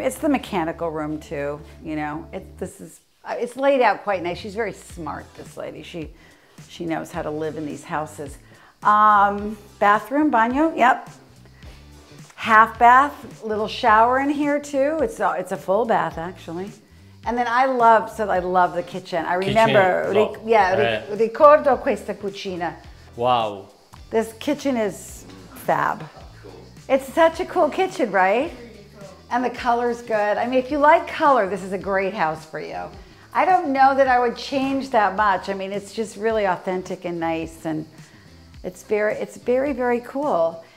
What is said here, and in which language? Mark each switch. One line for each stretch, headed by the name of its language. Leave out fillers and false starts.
English: It's the mechanical room too, you know. It's laid out quite nice. She's very smart, this lady. She knows how to live in these houses. Bathroom, baño, yep. Half bath, little shower in here too. It's a full bath, actually. And then I love the kitchen. I remember,
Italian: ricordo questa cucina.
English: Wow. This kitchen is fab. Cool. It's such a cool kitchen, right? And the color's good. I mean, if you like color, this is a great house for you. I don't know that I would change that much. I mean, it's just really authentic and nice, and it's very, very cool.